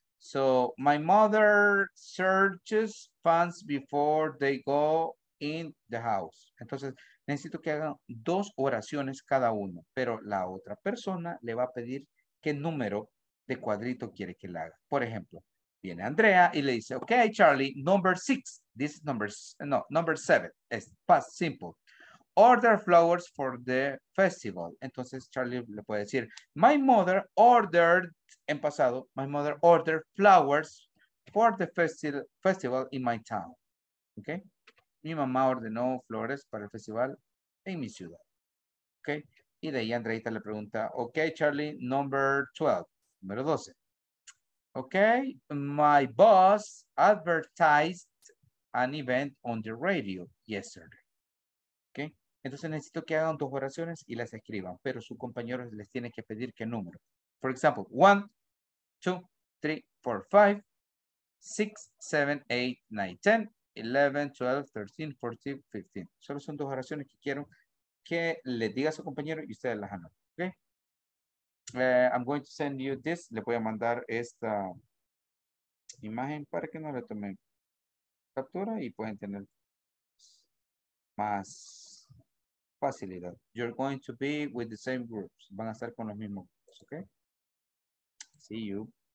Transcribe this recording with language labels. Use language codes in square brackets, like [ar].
[en] So my mother searches fans before they go in the house. [es] Entonces, necesito que hagan 2 oraciones cada uno, pero la otra persona le va a pedir qué número de cuadrito quiere que le haga. Por ejemplo, viene Andrea y le dice, [en] okay, Charlie, number 6. This is number 7. Es past simple. Order flowers for the festival. [es] Entonces, Charlie le puede decir, [en] my mother ordered, [es] en pasado, [en] my mother ordered flowers for the festival in my town. Okay? [es] Mi mamá ordenó flores para el festival en mi ciudad. Okay? Y de ahí Andreita le pregunta, okay, Charlie, número 12. [en] Okay, my boss advertised an event on the radio yesterday. [es] Okay, entonces necesito que hagan 2 oraciones y las escriban, pero su compañero les tiene que pedir qué número. [en] For example, 1, 2, 3, 4, 5, 6, 7, 8, 9, 10, 11, 12, 13, 14, 15. [es] Solo son dos oraciones que quiero que le diga a su compañero y ustedes las anoten. Okay? [en] I'm going to send you this. [es] Le voy a mandar esta imagen para que no le tome captura y pueden tener más facilidad. [en] You're going to be with the same groups. [es] Van a estar con los mismos grupos, ¿ok? [en] See you.